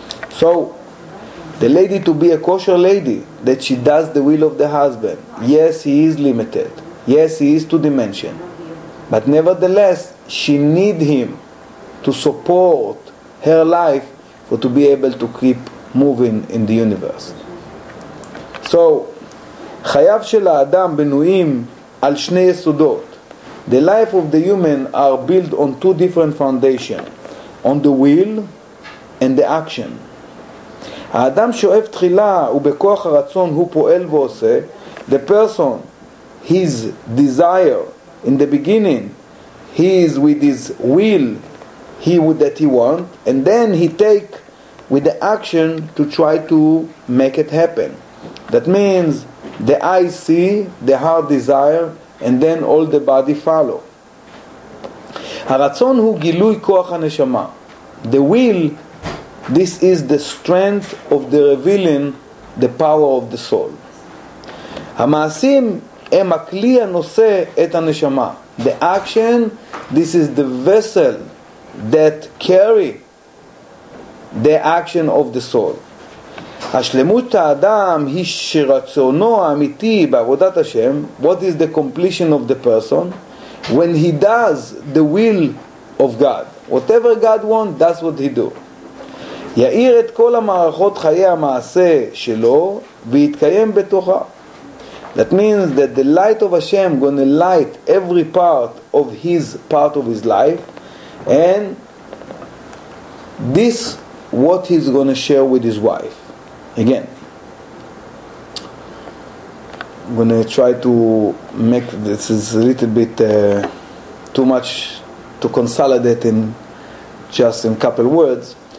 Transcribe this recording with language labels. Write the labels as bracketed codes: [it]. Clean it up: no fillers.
[en] So, the lady to be a kosher lady, that she does the will of the husband. Yes, he is limited. Yes, he is two dimension. But nevertheless, she need him to support her life for to be able to keep moving in the universe. [he] So, חייו של האדם בנויים על שני יסודות. [en] The life of the human are built on two different foundations, on the will and the action. [he] האדם שואף תחילה ובכוח הרצון הוא פועל ועושה. [en] The person, his desire, in the beginning, he is with his will, he would that he want, and then he take with the action to try to make it happen. That means the eyes see, the heart desire, and then all the body follow. [he] הרצון הוא גילוי כוח הנשמה. [en] The will, this is the strength of the revealing the power of the soul. [he] המעשים הם הכלי הנושא את הנשמה. [en] The action, this is the vessel that carry the action of the soul. [he] השלמות האדם היא שרצונו האמיתי בעבודת השם. [en] What is the completion of the person? When he does the will of God. Whatever God wants, that's what he do. [he] יאיר את כל המערכות חיי המעשה שלו והתקיים בתוכה. [en] That means that the light of Hashem going to light every part of his life, and this what he's going to share with his wife. Again, I'm going to try to make this is a little bit too much to consolidate in just in a couple words.